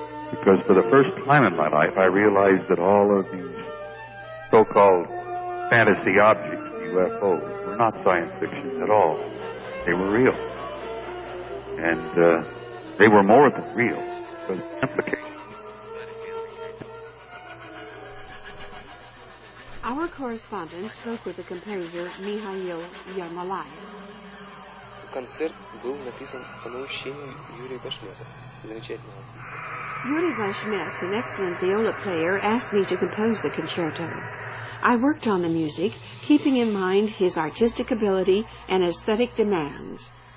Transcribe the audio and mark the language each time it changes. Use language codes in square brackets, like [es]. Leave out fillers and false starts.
[en] Because for the first time in my life, I realized that all of these so-called fantasy objects, UFOs, were not science fiction at all. They were real. And they were more than real, but implicated. Our correspondent spoke with the composer Mikhail Yermolayev. [ru] Концерт был написан по наущению Юрия Башмета, замечательного артиста. [en] Yuri Bashmet, an excellent viola player, asked me to compose the concerto. I worked on the music, keeping in mind his artistic ability and aesthetic demands.